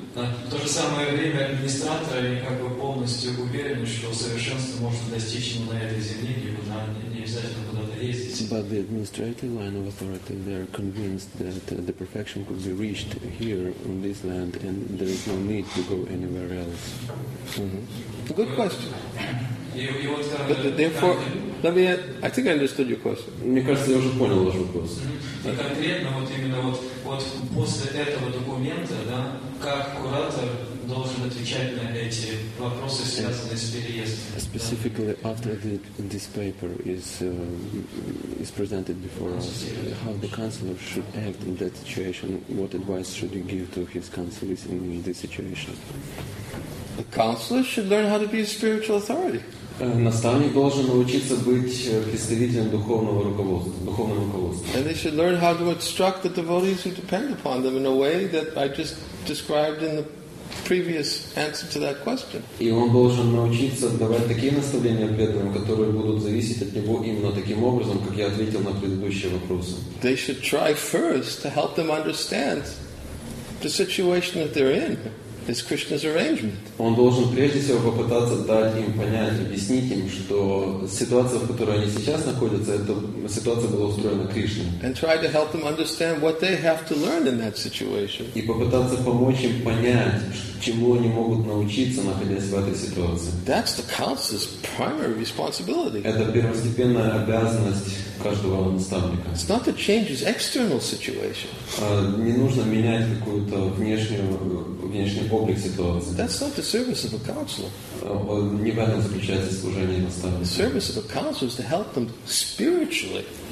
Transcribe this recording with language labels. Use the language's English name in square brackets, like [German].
[Russian] В то же самое время администраторы как бы полностью уверены, что совершенство можно достичь на этой земле, либо не обязательно куда-то ездить. [English] But the administrative line of authority, they are convinced that the perfection could be reached here on this land, and there is no need to go anywhere else. Mm-hmm. Good question. But therefore, let me add, I think I understood your question. [Russian] Мне кажется, я уже понял ваш вопрос. И конкретно вот именно вот после этого документа, да, как куратор должен отвечать на эти вопросы, связанные с переездом? [English] Specifically after this paper is presented before us, how the counselor should act in that situation? What advice should he give to his counselors in this situation? The counselor should learn how to be a spiritual authority. [Russian] Наставник должен научиться быть представителем духовного руководства, духовного руководства. [English] And they should learn how to instruct the devotees who depend upon them in a way that I just described in the previous answer to that question. [Russian] И он должен научиться давать такие наставления преданным, которые будут зависеть от него именно таким образом, как я ответил на предыдущие вопросы. [English] They should try first to help them understand the situation that they're in. It's Krishna's arrangement. [Russian] Он должен прежде всего попытаться дать им понять, объяснить им, что ситуация, в которой они сейчас находятся, это ситуация была устроена Кришной. [English] And try to help them understand what they have to learn in that situation. [Russian] И попытаться помочь им понять, чему они могут научиться, находясь в этой ситуации. [English] That's the counselor's primary responsibility. [Russian] Это первостепенная обязанность каждого наставника. [English] It's not to change his external situation. [Russian] Не нужно менять какую-то внешнюю облик ситуации. [English] That's not the service of a counselor. [Russian] Не в этом заключается служение наставника. [English] The service of a counselor is to help them spiritually.